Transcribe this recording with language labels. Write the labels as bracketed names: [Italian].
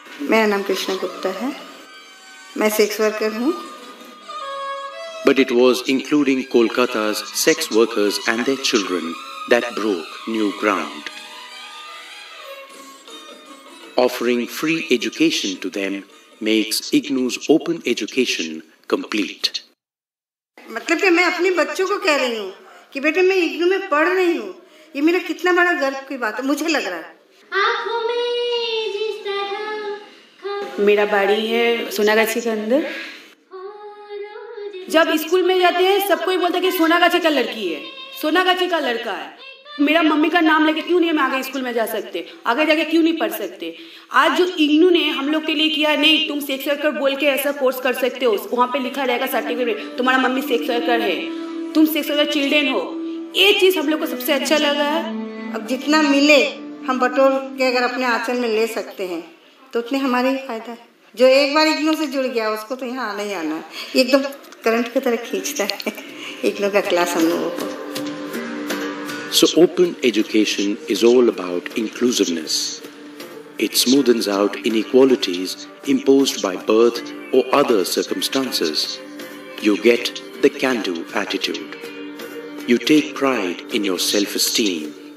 [Hindi] मेरा नाम कृष्णा गुप्ता है, मैं सेक्स वर्कर हूँ। [English] But it was including Kolkata's sex workers and their children that broke new ground. Offering free education to them makes IGNOU's open education complete. [Hindi] मतलब कि मैं अपने बच्चों को कह रही हूँ कि बेटे मैं इग्नू में पढ़ रही हूँ, ये मेरा कितना बड़ा गर्व की बात है मुझे लग रहा है। मेरा बाड़ी है सोनागाछी के अंदर। जब स्कूल में जाते हैं सबको ही बोलता है कि सोनागाछी का लड़की है, सोनागाछी का लड़का है। मेरा मम्मी का नाम लेके क्यों नहीं हम आगे स्कूल में जा सकते, आगे जाके क्यों नहीं पढ़ सकते। आज जो इग्नू ने हम लोग के लिए किया, नहीं तुम सेक्स वर्कर बोल के ऐसा कोर्स कर सकते हो, वहाँ पे लिखा रहेगा सर्टिफिकेट तुम्हारा मम्मी सेक्स वर्कर है, तुम सेक्स वर्कर चिल्ड्रेन हो, ये चीज हम लोग को सबसे अच्छा लगा है। अब जितना मिले हम बटोर के अगर अपने आचरण में ले सकते हैं तो उतने हमारे ही फायदा है। जो एक बार इग्नू से जुड़ गया उसको तो यहाँ आना ही आना है, एकदम करंट की तरह खींचता है इग्नू का क्लास हम लोगों को। [English] So open education is all about inclusiveness. It smoothens out inequalities imposed by birth or other circumstances. You get the can-do attitude. You take pride in your self-esteem.